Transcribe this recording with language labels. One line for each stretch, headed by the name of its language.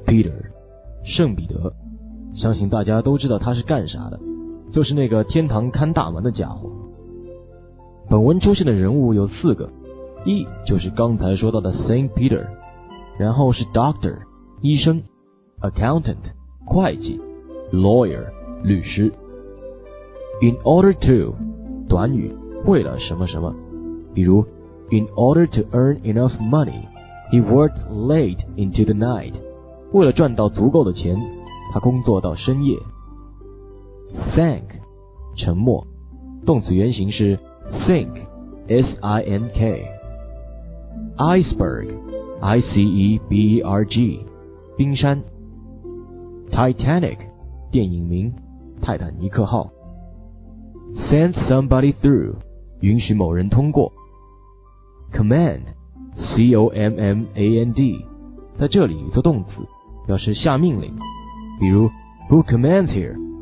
Chinese: Peter 圣彼得，相信大家都知道他是干啥的，就是那个天堂看大门的家伙。本文出现的人物有四个，一就是刚才说到的 Saint Peter， 然后是 Doctor 医生， Accountant 会计， Lawyer 律师。
English: In order to
Chinese: 短语，为了什么什么，比如
English: In order to earn enough money he worked late into the night，
Chinese: 为了赚到足够的钱，他工作到深夜。 Sank 沉没，动词原形是 sink S-I-N-K Iceberg I-C-E-B-E-R-G 冰山。 Titanic 电影名，泰坦尼克号。 Send somebody through 允许某人通过。Command C-O-M-M-A-N-D 在这里做动词，表示下命令，比如
English: Who commands here?